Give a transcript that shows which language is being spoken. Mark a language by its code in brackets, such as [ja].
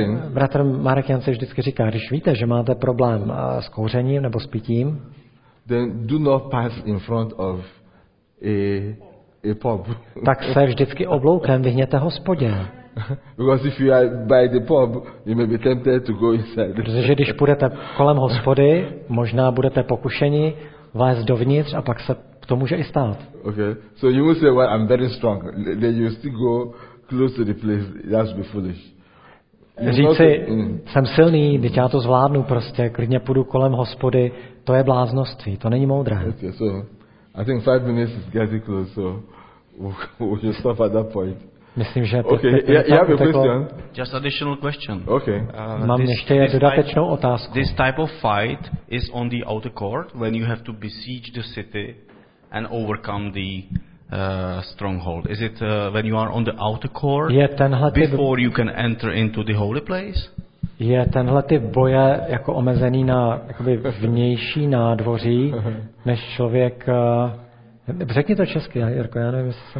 [cs] Bratr Marek Jansi vždycky říká, když víte, že máte problém s kouřením nebo s pitím, [en] then do not pass in front of a pub. [cs] Tak se vždycky obloukem vyhněte hospodě. [en] Because if you are by the pub, you may be tempted to go inside. [cs] Protože když půjdete kolem hospody, možná budete pokušeni vlézt dovnitř a pak se to může i stát. [en] Okay, so you must say, well, I'm very strong. Then you still go close to the place. That would be foolish. [cs] Říci, jsem silný, teď já to zvládnu prostě, klidně půjdu kolem hospody, to je bláznoství, to není moudré. [en] Okay, so I think 5 minutes is getting close, so we'll just stop at that point. [cs] Myslím, že [en] okay, you have a question? Just additional question. Okay. [cs] Mám ještě dodatečnou otázku. [en] This type of fight is on the outer court when you have to besiege the city and overcome the stronghold. Is it when you are on the outer court before you can enter into the holy place? [cs] Je tenhle typ boje jako omezený na jakoby vnější nádvoří, než člověk... Řekni to česky, Jirko, já nevím,